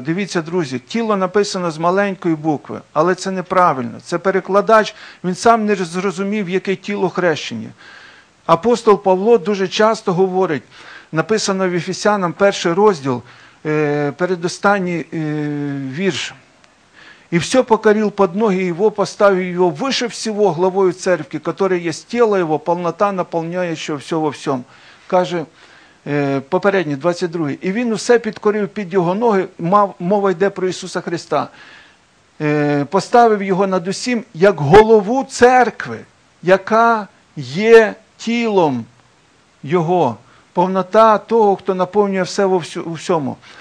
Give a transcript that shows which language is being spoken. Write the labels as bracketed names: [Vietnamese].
[Ukrainian] Дивіться, друзі, тіло написано з маленької букви, але це неправильно. Це перекладач, він сам не зрозумів, яке тіло хрещені. Апостол Павло дуже часто говорить, написано в Ефесянам перший розділ, передостанній вірш. [Russian] «І все покорил под ноги Его, поставив Его выше всего главою церкви, которая есть тело Его, полнота наполняющего все во всем». [Ukrainian] Каже попередній, 22-й. «И Він усе підкорив під Його ноги», мова йде про Ісуса Христа, «поставив Його над усім, як голову церкви, яка є тілом Його, повнота того, хто наповнює все во всьому».